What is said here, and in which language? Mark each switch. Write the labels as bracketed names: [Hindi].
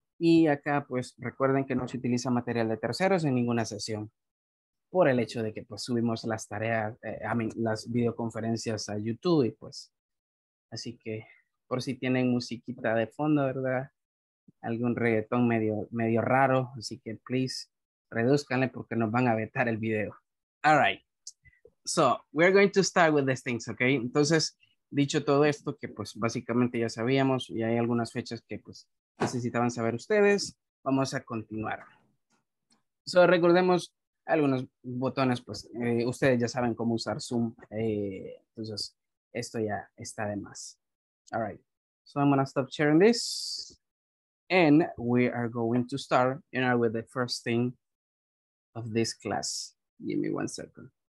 [Spanish] Y acá, pues, recuerden que no se utiliza material de terceros en ninguna sesión por el hecho de que, pues, subimos las tareas, las videoconferencias a YouTube y, pues, así que, por si tienen musiquita de fondo, ¿verdad? Algún reggaetón medio raro, así que, please, reduzcanle porque nos van a vetar el video. [English] All right. So, we're going to start with these things, okay? [Spanish] Entonces, dicho todo esto, que, pues, básicamente ya sabíamos y hay algunas fechas que, pues, necesitaban saber ustedes, vamos a continuar. So, recordemos algunos botones, pues ustedes ya saben cómo usar Zoom, entonces esto ya está de más. [English] All right, so I'm gonna stop sharing this and we are going to start, you know, with the first thing of this class. Give me one second.